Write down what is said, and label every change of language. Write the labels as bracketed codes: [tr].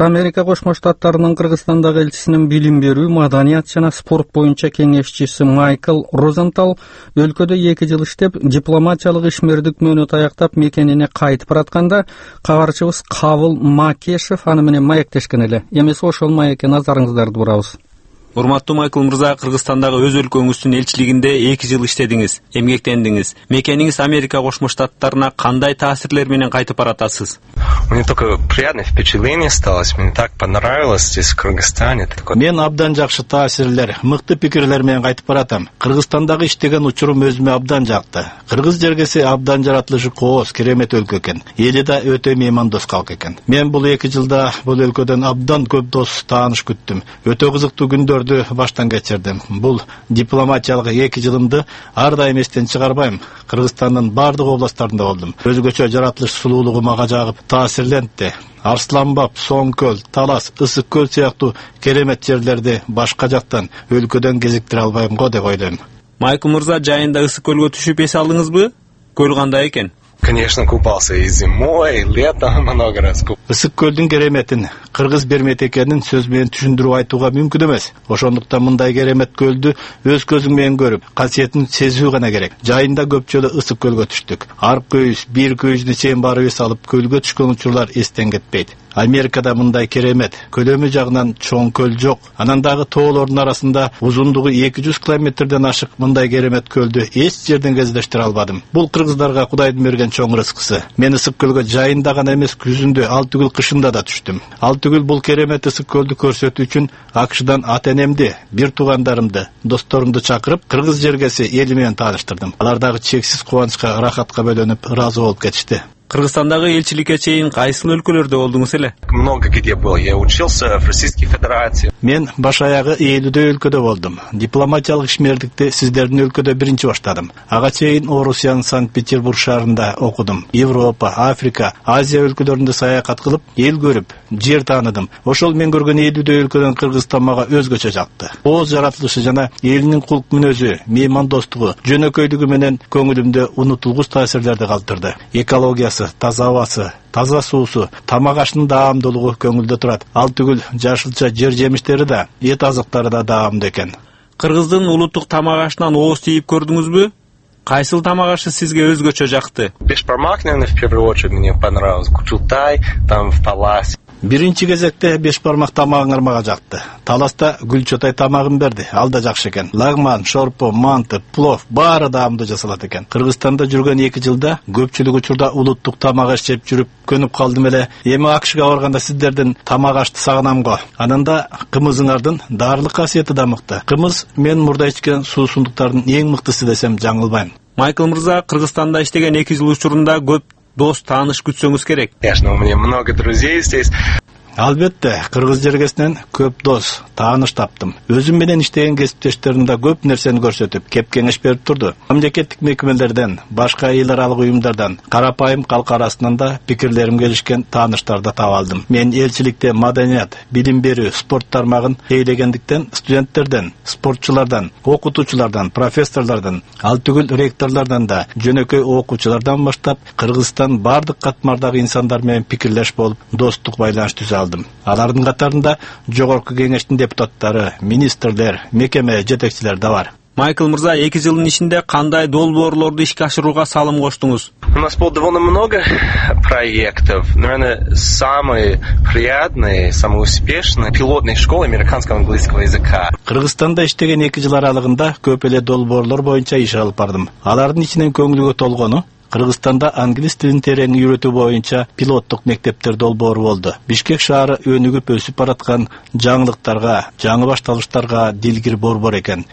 [ky] Америка Кошмо Штаттарынын Кыргызстандагы элчисинин билим берүү, маданият жана спорт боюнча кеңешчиси Майкл Розентал өлкөдө 2 жыл иштеп, дипломатиялык ишмердик мөөнөтү аяктап мекенине кайтып баратканда кабарчыбыз Кабыл Макешев аны менен маектешкен эле. Эмесе ошол маекке назарыңыздарды бурабыз. Урматтуу Майкл Мырза, Кыргызстандагы өз өлкөңүздүн элчилигинде 2 жыл иштедиңиз, эмгектендиңиз. Мекениңиз Америка Кошмо Штаттарына кандай таасирлер менен кайтып баратасыз? [ru] Мне только приятное впечатление осталось. Мне так понравилось здесь, в Кыргызстане. [ky] Мен абдан жакшы таасирлер, мыкты пикирлер менен кайтып баратам. Кыргызстандагы иштеген учурум өзүмө абдан жакты. Кыргыз жергеси абдан жаратылышы кооз, керемет өлкө экен. Эли да өтө меймандос калк экен. Мен бул 2 жылда бул өлкөдөн абдан көп дос тааныш күттүм. Өтө кызыктуу күндөрдү баштан кечирдим. Бул дипломатиялык 2 жылымды ар дайым эстен чыгарбайм. Кыргызстандын бардык областтарында болдум. Өзгөчө жаратылыш сулуулугу мага жагып таасирлентти. Арсланбаб, Сонкөл, Талас, Ысык Көл сыяктуу керемет жерлерди башка жактан өлкөдөн кезиктире албайм го деп ойлойм. Майкл Мырза, жайында Ысык Көлгө түшүп эс алдыңызбы? Көл кандай экен? [ru] Конечно, купался и зимой, и летом много раз купался. [ky] Ысык көлдүн кереметин кыргыз бир метекенин сөз менен түшүндүрүп айтууга мүмкүн эмес. Ошондуктан мындай керемет көлдү өз көзүң менен көрүп, касиетин сезүү гана керек. Жайында көпчөлү Ысык көлгө түштүк. Ар күйүбүз, бир күйүбүздү чейин барыбыз алып көлгө түшкөн учурлар эстен кетпейт. Америкада мындай керемет. Көлөмү жагынан чоң көл жок. Анан дагы тоолордун арасында узундугу 200 километрден ашык мындай керемет көлдү эч жерден кездештире албадым. Бул кыргыздарга Кудайдын берген чоң рызкысы. Мен ысык көлгө жайында гана эмес, күзүндө, ал түгүл кышында да түштүм. Ал түгүл бул керемет ысык көлдү көрсөтүү үчүн АКШдан ата-энемди, бир туугандарымды, досторумду чакырып, кыргыз жергеси эли менен тааныштырдым. Алар дагы чексиз кубанычка, рахатка бөлөнүп, ыраазы болуп кетишти. Кыргызстандагы элчиликке чейин кайсыл өлкөлөрдө болдуңуз эле? [ru] Много где был. Я учился в Российской Федерации. [ky] Мен баш аягы 50 өлкөдө болдум. Дипломатиялык ишмердикти сиздердин өлкөдө биринчи баштадым. Ага чейин Орусиянын Санкт-Петербург шаарында окудум. Европа, Африка, Азия өлкөлөрүндө саякат кылып, эл көрүп, жер тааныдым. Ошол мен көргөн 50 өлкөдөн Кыргызстан мага өзгөчө жакты. Ооз жаратылышы жана элинин кулк мүнөзү, меймандостугу, жөнөкөйлүгү менен көңүлүмдө унутулгус таасирлерди калтырды. Экология, таза абасы, таза суусу, тамак ашынын даамдуулугу көңүлдө турат. Ал түгүл жашылча жер жемиштери да, эт азыктары да даамдуу экен. Кыргыздын улуттук тамак ашынан ооз тийип көрдүңүзбү? Кайсыл тамак ашы сизге өзгөчө жакты? [ru] Бешбармак, наверное, в первую очередь мне понравилось. Кучултай, там в Талас. [ky] Биринчи кезекте бешбармак тамагыңар мага жакты. Таласта Гүлчотай тамагын берди, ал да жакшы экен. Лагман, шорпо, манты, плов баары даамдуу жасалат экен. Кыргызстанда жүргөн 2 жылда көпчүлүк учурда улуттук тамак аш жеп жүрүп көнүп калдым эле. Эми АКШга барганда сиздердин тамак ашты сагынам го. Анан да кымызыңардын даарылык касиети да мыкты. Кымыз мен мурда ичкен суусундуктардын эң мыктысы десем жаңылбайм. Майкл мырза, Кыргызстанда иштеген 2 жыл учурунда көп дос, тааныш күтсөңүз керек. [ru] Конечно, у меня много друзей здесь. [ky] Албетте, кыргыз жергесинен көп дос, тааныш таптым. Өзүм менен иштеген кесиптештеримде көп нерсени көрсөтүп, кеп кеңеш берип турду. Мамлекеттик мекемелерден, башка эл аралык уюмдардан, карапайым калк арасынан да пикирлерим келишкен тааныштарды табалдым. Мен элчиликте маданият, билим берүү, спорт тармагын ээлегендиктен студенттерден, спортчулардан, окутуучулардан, профессорлордон, ал түгүл ректорлордон да, жөнөкөй окуучулардан баштап, Кыргызстан бардык катмардагы инсандар менен пикирлеш болуп, достук байланыш түзүп алдым. Алардын катарында жогорку кеңештин депутаттары, министрлер, мекеме жетекчилери да бар. Майкл мырза, 2 жылдын ичинде кандай долбоорлорду ишке ашырууга салым коштуңуз? [ru] У нас было довольно много проектов. Наверное, самый приятный, самый успешный пилотный школа американского английского языка. [ky] Кыргызстанда иштеген 2 жыл аралыгында көп эле долбоорлор боюнча иш алып бардым. Алардын ичинен көңүлгө толгону Кыргызстанда англис тилин терең үйрөтүү боюнча пилоттук мектептер долбоору болду. Бишкек шаары өнүгүп өсүп бараткан жаңылыктарга, жаңы башталыштарга дилгир борбор экен.